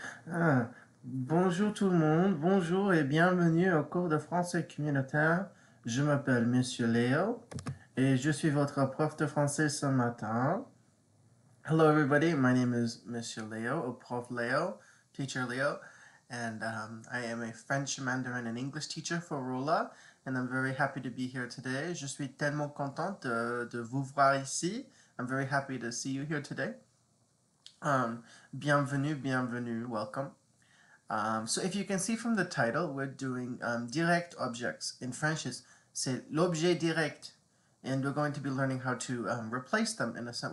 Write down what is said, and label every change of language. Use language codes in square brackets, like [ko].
[fr] Ah, bonjour tout le monde, bonjour et bienvenue au cours de français communautaire. Je m'appelle Monsieur Léo et je suis votre prof de français ce matin. [en] Hello everybody, my name is Monsieur Léo, Prof Léo, Teacher Léo, and I am a French, Mandarin, and English teacher for Rula, and I'm very happy to be here today. [fr] Je suis tellement content de vous voir ici. [en] I'm very happy to see you here today. [fr] Bienvenue, bienvenue, [en] welcome. So if you can see from the title, we're doing direct objects in French. [fr] C'est l'objet direct, [en] and we're going to be learning how to replace them in a sense.